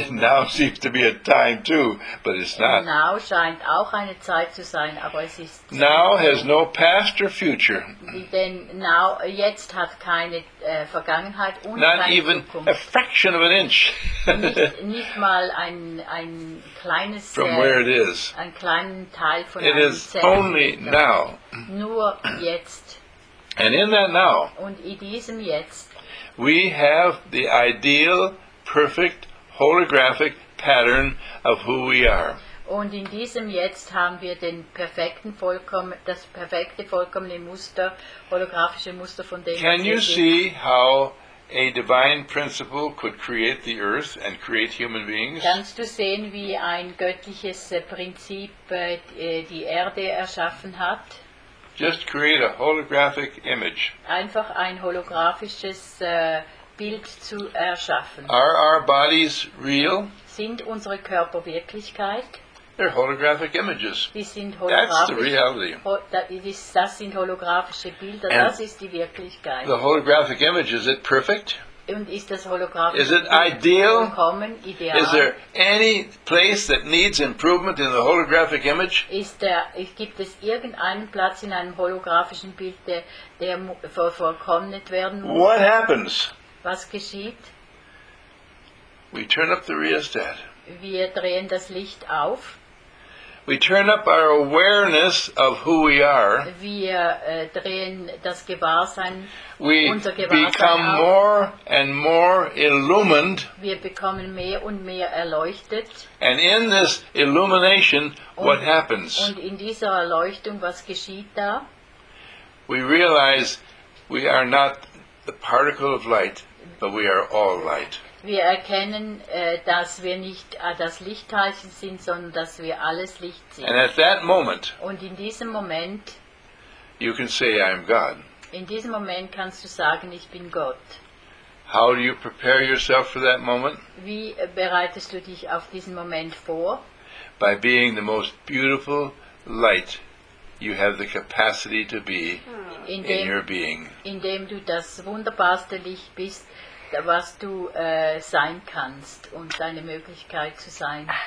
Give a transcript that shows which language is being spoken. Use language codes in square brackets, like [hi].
[en] And now seems to be a time too, but it's not. [de] Now scheint auch eine Zeit zu sein, aber es ist. [en] Now has no past or future. [de] Denn now jetzt hat keine Vergangenheit und keine Zukunft. [en] Not even a fraction of an inch. [de] nicht mal ein kleines. [en] From where it is. [de] Ein kleinen Teil von [en] it [de] einem Zentimeter. [en] It is only now. [de] Nur jetzt. [en] And in that now. [de] Und in diesem Jetzt. [en] We have the ideal, perfect, holographic pattern of who we are. [de] Und in diesem Jetzt haben wir den perfekten, das perfekte, vollkommene Muster, holographische Muster von dem. [en] Can you see how a divine principle could create the earth and create human beings? [de] Kannst du sehen, wie ein göttliches Prinzip die Erde erschaffen hat? [en] Just create a holographic image. [de] Einfach ein holographisches Bild zu erschaffen. [en] Are our bodies real? [de] Sind unsere Körper Wirklichkeit? [en] They're holographic images. [de] Die sind holographisch. [en] That's the reality. [de] Das sind holographische Bilder. [en] And [de] das ist die Wirklichkeit. [en] The holographic image, is it perfect? [de] Und ist das holographische [en] is it ideal? [de] Vollkommen ideal? [en] Is there any place that needs improvement in the holographic image? [de] Gibt es irgendeinen Platz in einem holographischen Bild, der vollkommnet werden muss? [en] What happens? [de] Was geschieht? [en] We turn up the rheostat. [de] Wir drehen das Licht auf. [en] We turn up our awareness of who we are. [de] Wir drehen das Gewahrsein, [en] we [de] unser Gewahrsein [en] become [de] auf. [en] More and more illumined. [de] Wir bekommen mehr und mehr erleuchtet. [en] And in this illumination, what happens? [de] Und in dieser Erleuchtung, was geschieht da? [en] We realize we are not the particle of light, but we are all light. [de] Wir erkennen, dass wir nicht das Lichtteilchen sind, sondern dass wir alles Licht sind. [en] And at that moment, [de] und in diesem Moment, [en] you can say, I am God. [de] In diesem Moment kannst du sagen, ich bin Gott. [en] How do you prepare yourself for that moment? [de] Wie bereitest du dich auf diesen Moment vor? [en] By being the most beautiful light you have the capacity to be in your being. [de] Indem du das wunderbarste Licht bist, was du sein kannst und deine Möglichkeit zu sein